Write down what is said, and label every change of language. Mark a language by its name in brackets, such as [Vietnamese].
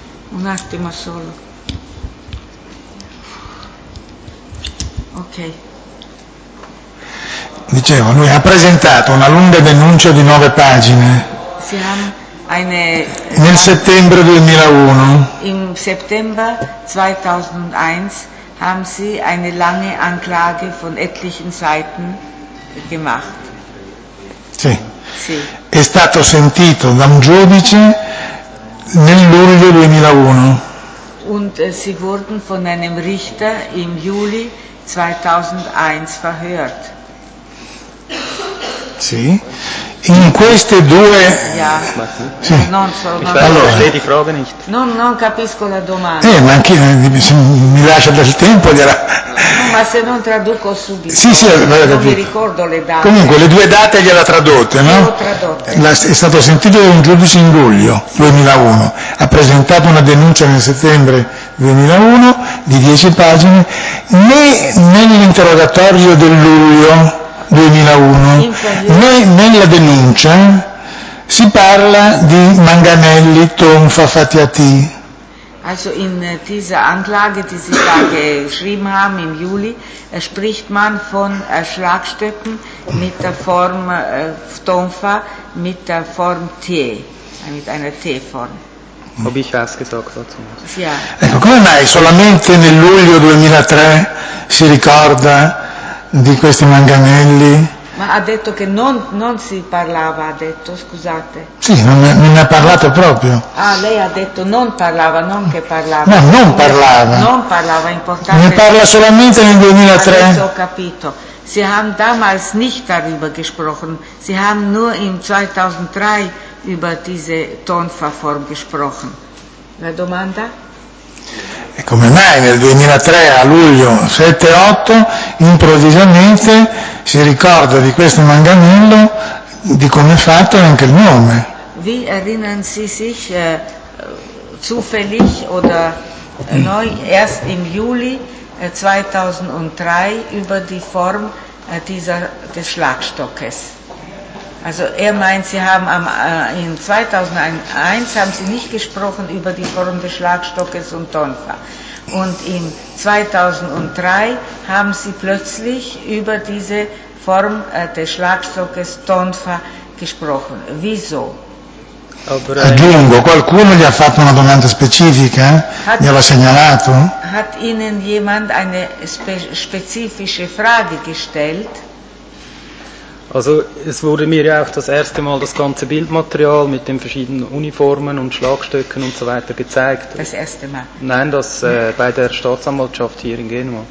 [Italian] Un attimo solo. Ok. Dicevo, lui ha presentato una lunga denuncia di 9 pagine. Nel settembre 2001. [German] Im September 2001 haben sie eine lange Anklage von etlichen Seiten gemacht. [Italian] Sì. È stato sentito da un giudice nel luglio 2001. [German] Und sie wurden von einem Richter im Juli 2001 verhört. [Italian] Sì, in queste due. Sì. Non so, allora. Non capisco la domanda. Ma anche mi lascia del tempo. Ma se non traduco subito. Sì, non mi ricordo le date. Comunque, le due date gliela tradotte, no? È stato sentito da un giudice in luglio 2001. Ha presentato una denuncia nel settembre 2001 di 10 pagine. Né nell'interrogatorio del luglio 2001, nella denuncia si parla di Manganelli, Tonfa, Fatiati. [German] Also in dieser Anklage, die sie da geschrieben haben im Juli, spricht man von Schlagstöcken mit der Form Tonfa, mit der Form T, mit einer T-Form. Ho bichas che so cosa c'è. [Italian] Ecco, come mai solamente nel luglio 2003 si ricorda di questi Manganelli? Ma ha detto che non si parlava, ha detto, scusate. Sì, non ha parlato proprio. Ah, lei ha detto non parlava, non che parlava. No, non parlava. Non parlava, importante. Ne parla solamente nel 2003. Adesso ho capito. [German] Sie haben damals nicht darüber gesprochen. Sie haben nur im 2003 über diese Tonfa-Form gesprochen. [Italian] La domanda? E come mai nel 2003 a luglio 7-8 improvvisamente si ricorda di questo Manganello, di come è fatto e anche il nome? [German] Wie erinnern Sie sich zufällig oder neu erst im Juli 2003 über die Form des Schlagstockes? Also meint, Sie haben in 2001 haben Sie nicht gesprochen über die Form des Schlagstockes und Tonfa. Und in 2003 haben Sie plötzlich über diese Form des Schlagstockes Tonfa gesprochen. Wieso? [Italian] Aggiungo, qualcuno gli ha fatto una domanda specifica, gli aveva segnalato. [German] Hat Ihnen jemand eine spezifische Frage gestellt? Also es wurde mir ja auch das erste Mal das ganze Bildmaterial mit den verschiedenen Uniformen und Schlagstöcken und so weiter gezeigt. Das erste Mal? Nein, bei der Staatsanwaltschaft hier in Genua.